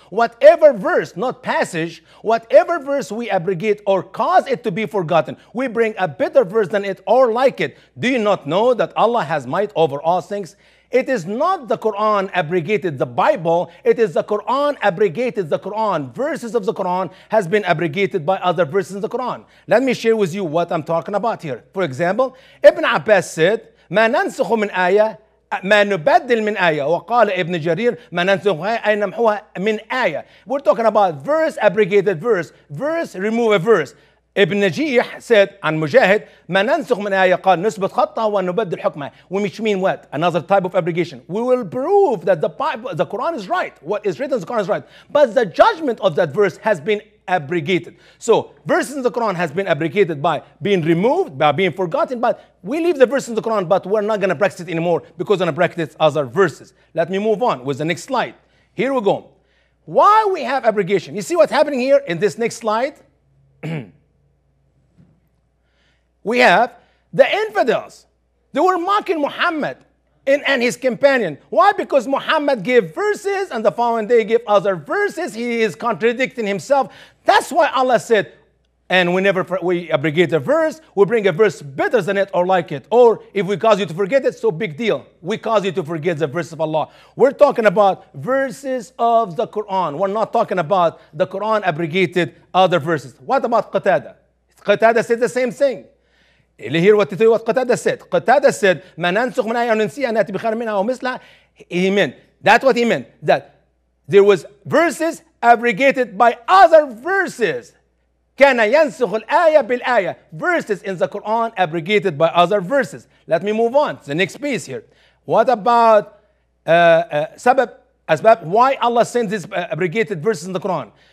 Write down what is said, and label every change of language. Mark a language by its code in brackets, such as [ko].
[en] Whatever verse, not passage, whatever verse we abrogate or cause it to be forgotten, we bring a better verse than it or like it. Do you not know that Allah has might over all things? It is not the Quran abrogated the Bible. It is the Quran abrogated the Quran. Verses of the Quran has been abrogated by other verses in the Quran. Let me share with you what I'm talking about here. For example, Ibn Abbas said, [ar] مَا نَنْسُخُ مِنْ آيَةٍ ما نبدل من آية وقال ابن جرير ما ننسخها أي نمحوها من آية. [en] We're talking about verse abrogated verse, verse remove a verse. Ibn Najih said [ar] عن مجاهد ما ننسخ من آية قال نثبت خطها ونبدل حكمها. [en] Which mean what? Another type of abrogation. We will prove that the Bible, the Quran is right. What is written in the Quran is right. But the judgment of that verse has been abrogated. So verses in the Quran has been abrogated by being removed, by being forgotten, but we leave the verse in the Quran, but we're not going to practice it anymore because we're going to practice other verses. Let me move on with the next slide. Here we go. Why we have abrogation? You see what's happening here in this next slide? We have the infidels. They were mocking Muhammad and his companion. Why? Because Muhammad gave verses and the following day gave other verses. He is contradicting himself. That's why Allah said, and whenever we abrogate a verse, we bring a verse better than it or like it. Or if we cause you to forget it, so big deal. We cause you to forget the verse of Allah. We're talking about verses of the Quran. We're not talking about the Quran abrogated other verses. What about Qatada? Qatada said the same thing. Hear what Qatada said. Qatada said, [ar] مَا نَنْسُخْ مِنْ آيَةٍ نُنْسِيهَا نَأْتِ بِخَيْرٍ مِنْهَا أَوْ مِثْلِهَا. [en] He meant, that's what he meant, that there was verses abrogated by other verses. [ar] كَانَ يَنْسُخُ الْآيَةَ بِالْآيَةَ. [en] Verses in the Quran abrogated by other verses. Let me move on to the next piece here. What about سبب, why Allah sends these abrogated verses in the Quran?